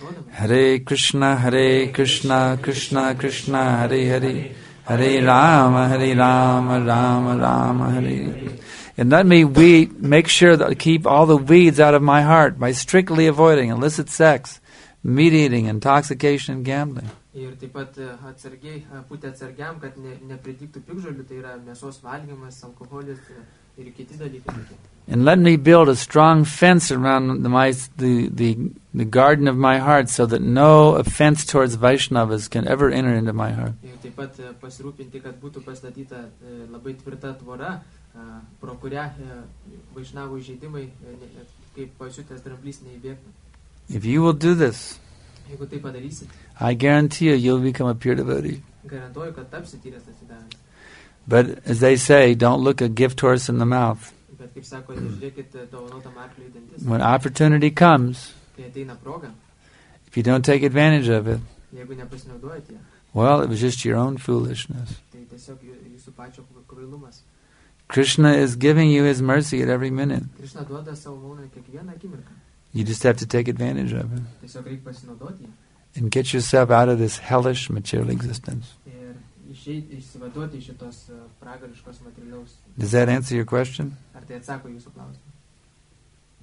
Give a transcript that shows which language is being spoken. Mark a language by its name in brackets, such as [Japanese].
[Sanskrit] Hare Krishna, Hare Krishna, Krishna Krishna, Hare Hare, Hare Rama, Hare Rama, Rama Rama, Hare Hare. [English] And let me make sure that I keep all the weeds out of my heart by strictly avoiding illicit sex, meat eating, intoxication, and gambling. [Lithuanian] Ir taip pat atsargiai, būti atsargiam, kad nepritiktų pikžolių, tai yra mėsos valgymas, alkoholis ir kiti dalykai. [English] And let me build a strong fence around the garden of my heart so that no offense towards Vaishnavas can ever enter into my heart. [Lithuanian] Ir taip pat pasirūpinti, kad būtų pastatyta labai tvirta tvora, pro kurią Vaishnavų įžeidimai, kaip pasiutęs dramblys, neįbėgtų. [English] If you will do this, [Lithuanian] jeigu tai padarysit, [English] I guarantee you, you'll become a pure devotee. [Lithuanian] Garantuoju, kad tapsi tyras atsidavęs. [English] But as they say, don't look a gift horse in the mouth. [Lithuanian] Bet kaip sako, žiūrėkit dovanotą arklį į dantis. [English] When opportunity comes, [Lithuanian] kai ateina proga, [English] if you don't take advantage of it, [Lithuanian] jeigu nepasinaudojat ją, [English] well, it was just your own foolishness. [Lithuanian] Tai tiesiog jūsų pačio kvailumas. [English] Krishna is giving you his mercy at every minute. [Lithuanian] Krishna duoda savo malonę kiekvieną akimirką. [English] You just have to take advantage of it. [Lithuanian] Tiesiog reikia pasinaudoti ją. [English] And get yourself out of this hellish material existence. [Lithuanian] Ir išsivaduoti iš šitos pragariškos materialiaus. [English] Does that answer your question? [Lithuanian] Ar tai atsako jūsų klausimą?